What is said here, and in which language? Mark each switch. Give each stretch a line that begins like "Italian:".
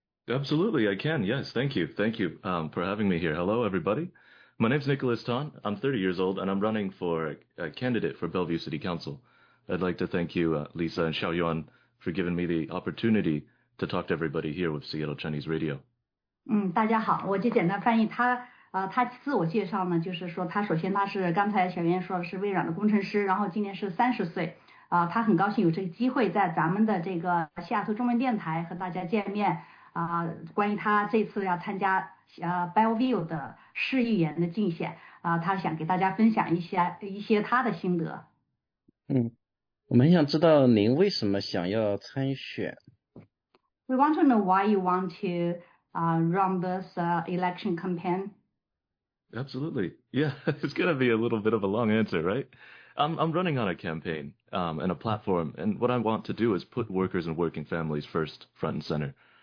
English: Absolutely, I can. Yes, thank you. Thank you for having me here. Hello, everybody. My name is Nicholas Tan. I'm 30 years old, and I'm running for a candidate for Bellevue City Council. I'd like to thank you, Lisa and Xiaoyuan,for giving me the opportunity to talk to everybody here with Seattle Chinese Radio.
Chinese: 大家好，我就简单翻译他，他自我介绍呢，就是说他首先他是刚才小袁说的是微软的工程师，然后今年是30岁，他很高兴有这个机会在咱们的这个西雅图中文电台和大家见面，关于他这次要参加Bellevue 的市议员的竞选，他想给大家分享一些他的心得。我们想知道您为什么想要参选。
English: We want to know why you want to run this election campaign. Absolutely. Yeah, it's going to be a little bit of a long answer, right? I'm running on a campaign and a platform, and what I want to do is put workers and working families first, front and center.